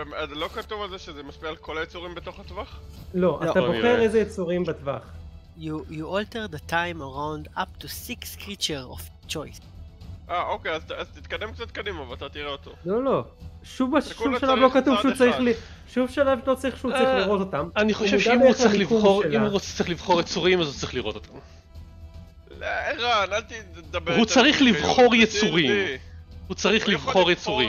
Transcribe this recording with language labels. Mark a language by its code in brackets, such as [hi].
[he] לא כתוב על זה שזה משפיע על כל היצורים בתוך הטווח? לא, אתה בוחר איזה יצורים בטווח. [en] You alter the time around up to 6 creatures of choice. [he] אוקיי, אז תתקדם קצת קדימה ואתה תראה אותו. לא, לא. שוב שלב לא כתוב שהוא צריך ל... שוב שלב לא צריך שהוא צריך לראות אותם. אני חושב שאם הוא צריך לבחור, אם הוא רוצה צריך לבחור יצורים, אז הוא צריך לראות אותם. לא, רן, אל תדבר... הוא צריך לבחור יצורים. הוא צריך לבחור יצורים.